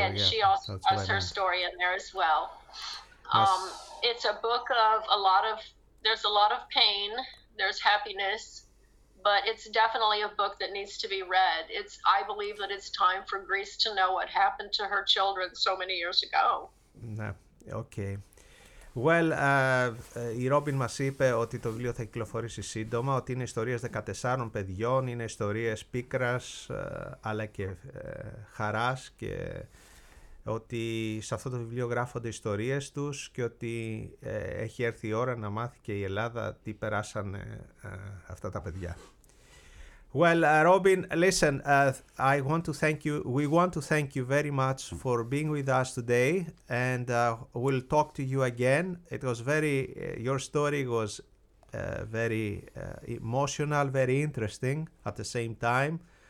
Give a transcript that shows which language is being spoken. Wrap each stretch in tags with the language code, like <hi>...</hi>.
<en>and she also has her story in there as well. It's a book of a lot of, there's a lot of pain, there's happiness, but it's definitely a book that needs to be read. It's, I believe that it's time for Greece to know what happened to her children so many years ago. Okay.</en> <el>Well, η Ρόμπιν μας είπε ότι το βιβλίο θα κυκλοφορήσει σύντομα, ότι είναι ιστορίες 14 παιδιών, είναι ιστορίες πίκρας, αλλά και χαράς, και ότι σε αυτό το βιβλίο γράφονται ιστορίες τους και ότι έχει έρθει η ώρα να μάθει και η Ελλάδα τι περάσανε αυτά τα παιδιά.</el> <en>Well, Robin, listen, I want to thank you. We want to thank you very much for being with us today, and we'll talk to you again. It was very, your story was very emotional, very interesting at the same time.</en>